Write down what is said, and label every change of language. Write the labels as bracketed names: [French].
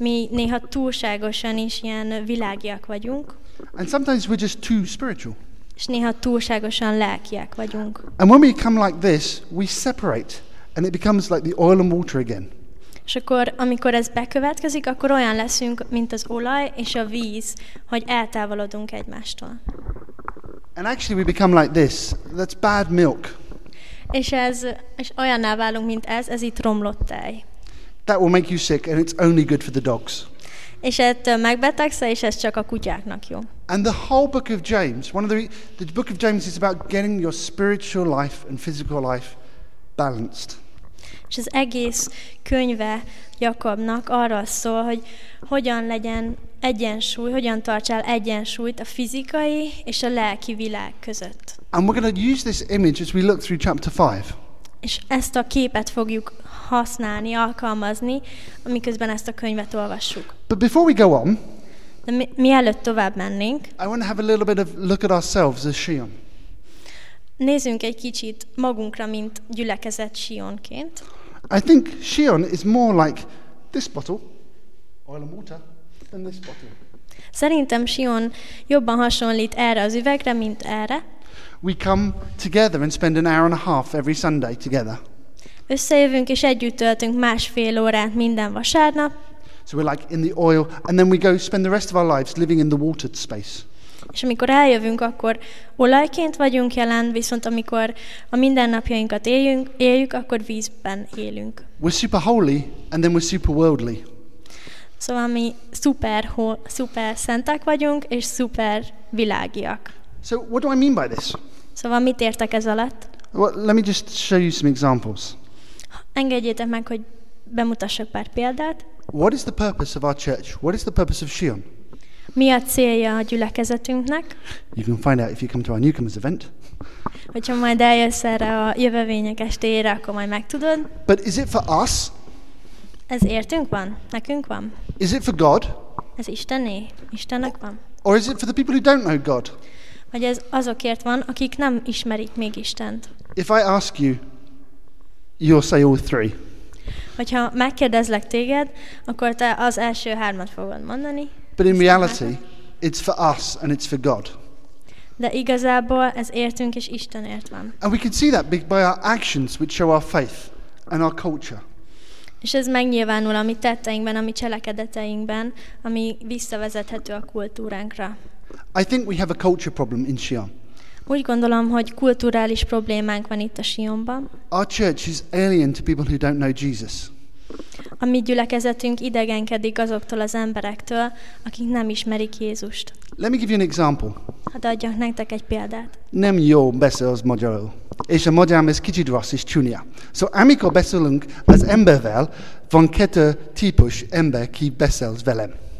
[Hungarian] Néha túlságosan is ilyen világiak vagyunk. [English] And sometimes we're just too spiritual. [Hungarian] És néha túlságosan lelkiek vagyunk. [English] And when we come like this, we separate, and it becomes like the oil and water again. [Hungarian] És akkor, amikor ez bekövetkezik, akkor olyan leszünk, mint az olaj és a víz, hogy eltávolodunk egymástól. [English] And actually we become like this. That's bad milk. [Hungarian] És olyanná válunk, mint ez itt romlott tej. [English] That will make you sick, and it's only good for the dogs. [Hungarian] És ettől megbetegsz, és ez csak a kutyáknak jó. [English] And the whole book of James, one of the book of James is about getting your spiritual life and physical life balanced. [Hungarian] És az egész könyve Jakabnak arra szól, hogy hogyan legyen egyensúly, hogyan tartsál egyensúlyt a fizikai és a lelki világ között. [English] And we're going to use this image as we look through chapter 5. [Hungarian] És ezt a képet fogjuk használni, alkalmazni, amiközben ezt a könyvet olvassuk. [English] But before we go on, [Hungarian] de mielőtt tovább mennénk, [English] I want to have a little bit of look at ourselves as Sion. [Hungarian] Nézzünk egy kicsit magunkra, mint gyülekezet Sionként. [English] I think Sion is more like this bottle, oil and water, than this bottle. [Hungarian] Szerintem Sion jobban hasonlít erre az üvegre, mint erre. [English] We come together and spend an hour and a half every Sunday together. [Hungarian] Összejövünk és együtt töltünk másfél órát minden vasárnap. [English] So we're like in the oil, and then we go spend the rest of our lives living in the watered space. [Hungarian] És amikor eljövünk, akkor olajként vagyunk jelen, viszont amikor a mindennapjainkat éljük, akkor vízben élünk. [English] We're super holy, and then we're super worldly. [Hungarian] Szóval mi szuper szentek vagyunk, és szuper világiak. [English] So what do I mean by this? [Hungarian] Szóval mit értek ez alatt? [English] Well, let me just show you some examples. [Hungarian] Engedjétek meg, hogy bemutassak pár példát. [English] What is the purpose of our church? What is the purpose of Sion? [Hungarian] Mi a célja a gyülekezetünknek? [English] You can find out if you come to our newcomers event. [Hungarian] Hogyha majd eljössz erre a jövevények estére, akkor majd megtudod. [English] But is it for us? [Hungarian] Ez értünk van? Nekünk van? [English] Is it for God? [Hungarian] Ez Istené? Istennek van? [English] Or is it for the people who don't know God? [Hungarian] Vagy ez azokért van, akik nem ismerik még Istent? [English] If I ask you, you'll say all three. [Hungarian] Hogyha megkérdezlek téged, akkor te az első hármat fogod mondani. [English] But in reality, it's for us and it's for God. [Hungarian] De igazából ez értünk és Istenért van. [English] And we can see that by our actions, which show our faith and our culture. [Hungarian] És ez megnyilvánul a mi tetteinkben, a mi cselekedeteinkben, ami visszavezethető a kultúránkra. [English] I think we have a culture problem in Sion. [Hungarian] Úgy gondolom, hogy kulturális problémánk van itt a Sionban. [English] Our church is alien to people who don't know Jesus. [Hungarian] A mi gyülekezetünk idegenkedik azoktól az emberektől, akik nem ismerik Jézust. [English] Let me give you an example. [Hungarian] Hadd adjak nektek egy példát. Nem jó beszél az magyarul. És a magyarám ez kicsit rossz és csúnya. So amikor beszélünk az embervel, van kettő típus ember, ki beszél velem.